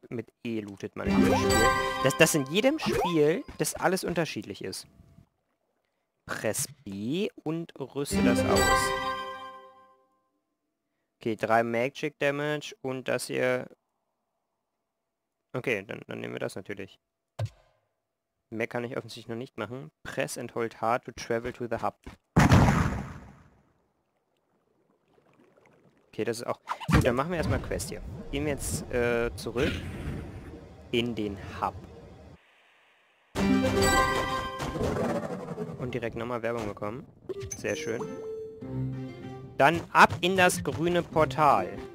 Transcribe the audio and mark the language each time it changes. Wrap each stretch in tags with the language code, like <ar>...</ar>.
<de>Mit E lootet man in jedem Spiel. Das in jedem Spiel, das alles unterschiedlich ist.</de> <en>Press B</en> <de>und rüste das aus. Okay, 3 Magic Damage und das hier... Okay, dann nehmen wir das natürlich. Mehr kann ich offensichtlich noch nicht machen.</de> <en>Press and hold hard to travel to the hub.</en> <de>Okay, das ist auch... Gut, dann machen wir erstmal Quest hier. Gehen wir jetzt zurück in den Hub. Und direkt nochmal Werbung bekommen. Sehr schön. Dann ab in das grüne Portal.</de>